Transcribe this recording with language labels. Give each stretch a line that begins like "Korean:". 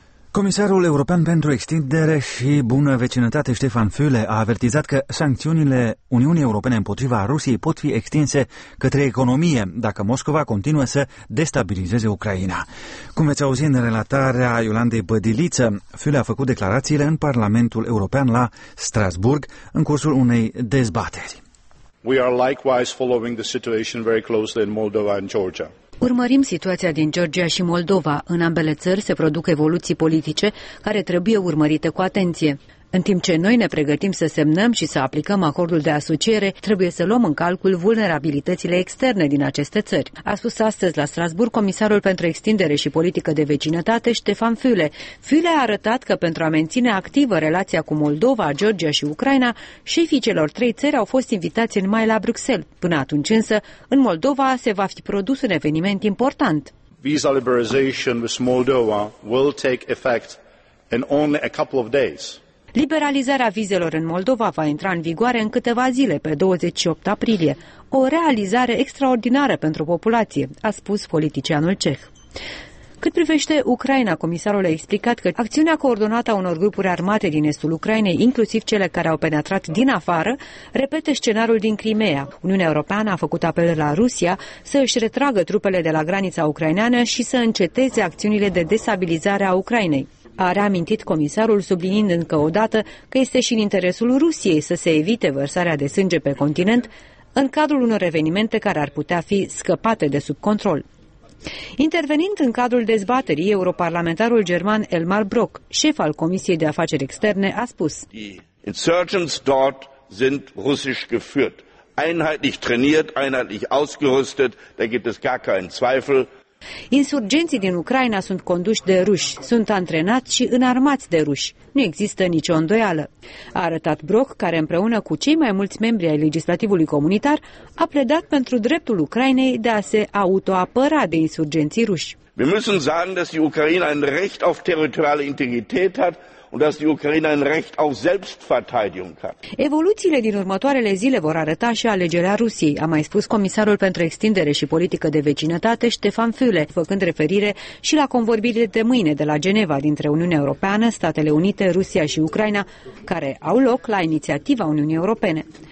Romanian: Comisarul European pentru Extindere și Bună Vecinătate Ștefan Füle a avertizat că sancțiunile Uniunii Europene împotriva Rusiei pot fi extinse către economie dacă Moscova continuă să destabilizeze Ucraina. Cum veți auzi în relatarea Iolandei Bădiliță, Füle a făcut declarațiile în Parlamentul European la Strasburg în cursul unei dezbateri.
English: We are likewise following the situation very closely in Moldova and Georgia.
Romanian: Urmărim situația din Georgia și Moldova. În ambele țări se produc evoluții politice care trebuie urmărite cu atenție. În timp ce noi ne pregătim să semnăm și să aplicăm acordul de asociere, trebuie să luăm în calcul vulnerabilitățile externe din aceste țări, a spus astăzi la Strasburg comisarul pentru extindere și politică de vecinătate, Ștefan Füle. Füle a arătat că pentru a menține activă relația cu Moldova, Georgia și Ucraina, șefii celor trei țări au fost invitați în mai la Bruxelles. Până atunci însă, în Moldova se va fi produs un eveniment important.
English: visa liberalization with Moldova will take effect in only a couple of days.
Romanian: Liberalizarea vizelor în Moldova va intra în vigoare în câteva zile, pe 28 aprilie. O realizare extraordinară pentru populație, a spus politicianul ceh. Cât privește Ucraina, comisarul a explicat că acțiunea coordonată a unor grupuri armate din estul Ucrainei, inclusiv cele care au penetrat din afară, repete scenariul din Crimea. Uniunea Europeană a făcut apel la Rusia să își retragă trupele de la granița ucraineană și să înceteze acțiunile de destabilizare a Ucrainei. A reamintit comisarul, subliniind încă o dată că este și în interesul Rusiei să se evite vărsarea de sânge pe continent în cadrul unor evenimente care ar putea fi scăpate de sub control. Intervenind în cadrul dezbaterii, europarlamentarul german Elmar Brok, șef al Comisiei de Afaceri Externe, a spus:
German: Insurgents dort sind russisch geführt, einheitlich trainiert, einheitlich ausgerüstet, da gibt es gar keinen Zweifel.
Romanian: Insurgenții din Ucraina sunt conduși de ruși, sunt antrenați și înarmați de ruși. Nu există nicio îndoială. A arătat Brok, care împreună cu cei mai mulți membri ai legislativului comunitar a pledat pentru dreptul Ucrainei de a se autoapăra de insurgenții ruși.
German: Wir müssen sagen, dass die Ukraine ein Recht auf territoriale integrität hat und dass die Ukraine ein Recht auf Selbstverteidigung hat.
Romanian: Evoluțiile din următoarele zile vor arăta și alegerea Rusiei, a mai spus comisarul pentru extindere și politică de vecinătate Stefan Füle, făcând referire și la convorbirile de mâine de la Geneva dintre Uniunea Europeană, Statele Unite, Rusia și Ucraina, care au loc la inițiativa Uniunii Europene.